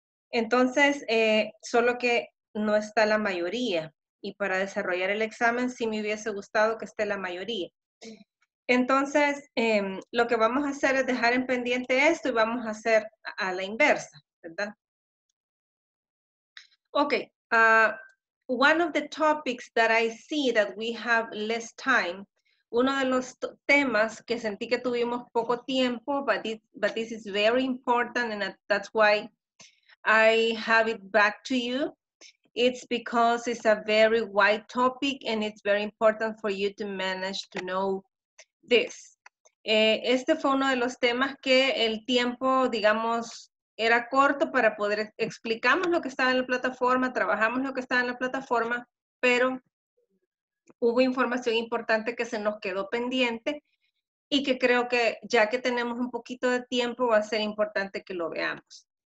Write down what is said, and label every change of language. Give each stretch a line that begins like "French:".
Spanish: Entonces, solo que no está la mayoría. Y para desarrollar el examen, sí me hubiese gustado que esté la mayoría. Entonces, lo que vamos a hacer es dejar en pendiente esto y vamos a hacer a la inversa, ¿verdad?
English: Ok. One of the topics that I see that we have less time.
Spanish: Uno de los temas que sentí que tuvimos poco tiempo,
English: but this is very important and that's why I have it back to you. It's because it's a very wide topic and it's very important for you to manage to know this.
Spanish: Este fue uno de los temas que el tiempo, digamos, era corto para poder explicamos lo que estaba en la plataforma, trabajamos lo que estaba en la plataforma, pero hubo información importante que se nos quedó pendiente y que creo que ya que tenemos un poquito de tiempo va a ser importante que lo veamos.